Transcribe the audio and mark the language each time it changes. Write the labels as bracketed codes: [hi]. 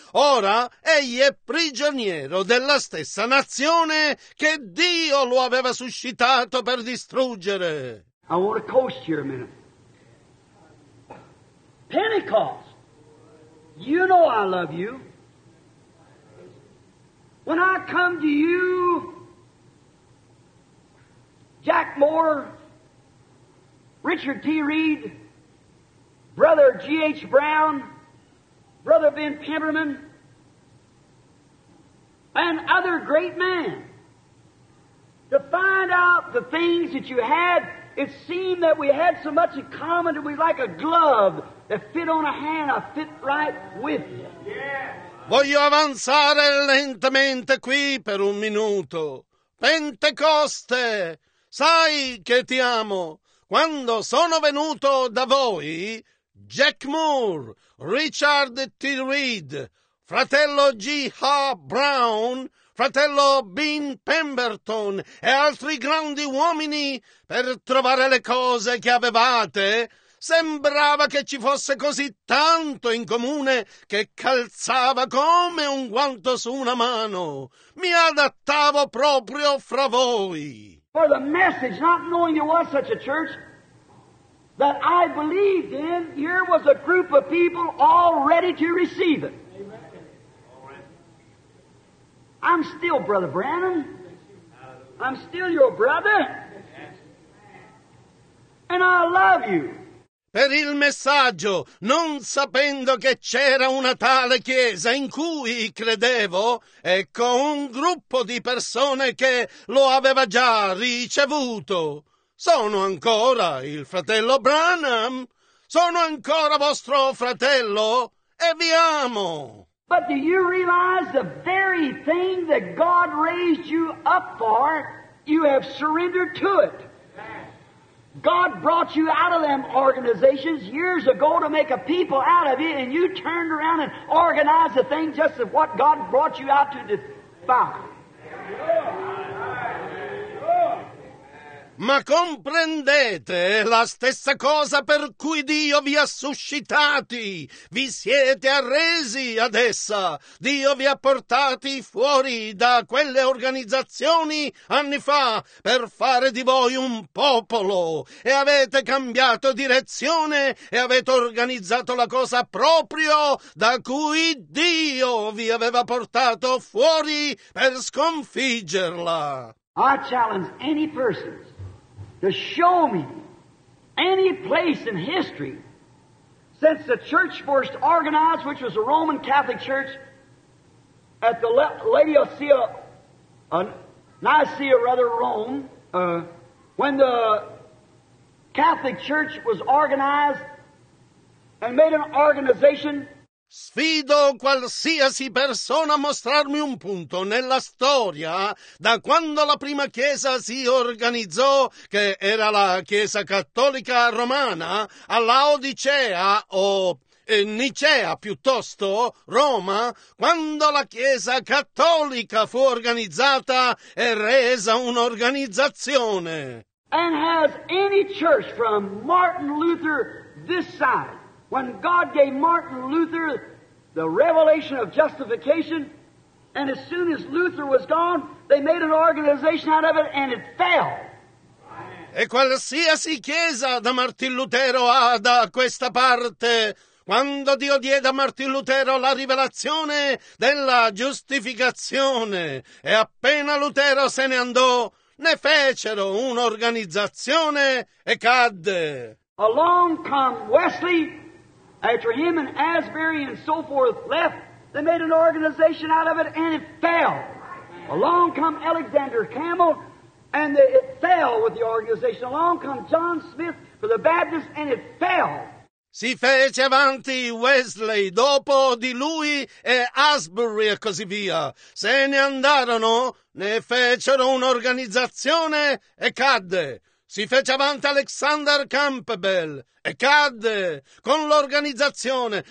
[it] Ora egli è prigioniero della stessa nazione che Dio lo aveva suscitato per distruggere. [en] I want to coast here a minute. Pentecost, you know I love you. When I come to you, Jack Moore, Richard T. Reed, Brother G.H. Brown, Brother Ben Pimmerman, and other great men, to find out the things that you had, it seemed that we had so much in common that we like a glove that fit on a hand, I fit right with you. Yeah. [it] Voglio avanzare lentamente qui per un minuto. Pentecoste, sai che ti amo. Quando sono venuto da voi, Jack Moore, Richard T. Reed, fratello G. H. Brown, fratello Bean Pemberton e altri grandi uomini per trovare le cose che avevate, sembrava che ci fosse così tanto in comune che calzava come un guanto su una mano. Mi adattavo proprio fra voi. [en] For the message, not knowing there was such a church, that I believed in, here was a group of people all ready to receive it. I'm still Brother Branham. I'm still your brother. And I love you. [it] Per il messaggio, non sapendo che c'era una tale chiesa in cui credevo, ecco un gruppo di persone che lo aveva già ricevuto. Sono ancora il fratello Branham. Sono ancora vostro fratello e vi amo. [en] But do you realize the very thing that God raised you up for, you have surrendered to it. God brought you out of them organizations years ago to make a people out of you, and you turned around and organized the thing just of what God brought you out to defy. [it] Ma comprendete la stessa cosa per cui Dio vi ha suscitati? Vi siete arresi ad essa. Dio vi ha portati fuori da quelle organizzazioni anni fa per fare di voi un popolo. E avete cambiato direzione e avete organizzato la cosa proprio da cui Dio vi aveva portato fuori per sconfiggerla. [en] I challenge any person to show me any place in history since the church first organized, which was a Roman Catholic church at the Laodicea, Nicaea rather, Rome, when the Catholic church was organized and made an organization. [it] Sfido qualsiasi persona a mostrarmi un punto nella storia da quando la prima chiesa si organizzò, che era la Chiesa Cattolica Romana, all'Laodicea o Nicea piuttosto, Roma, quando la Chiesa Cattolica fu organizzata e resa un'organizzazione. [en] And has any church from Martin Luther this side, when God gave Martin Luther the revelation of justification, and as soon as Luther was gone, they made an organization out of it, and it fell. [it] E qualsiasi chiesa da Martin Lutero ha da questa parte, quando Dio diede a Martin Lutero la rivelazione della giustificazione, e appena Lutero se ne andò, ne fecero un'organizzazione e cadde. [en] Along come Wesley. After him and Asbury and so forth left, they made an organization out of it, and it fell. Along come Alexander Campbell, and it fell with the organization. Along come John Smith for the Baptists, and it fell. [it] Si fece avanti Wesley, dopo di lui e Asbury e così via. Se ne andarono, ne fecero un'organizzazione e cadde. Si fece avanti Alexander Campbell e cadde con l'organizzazione.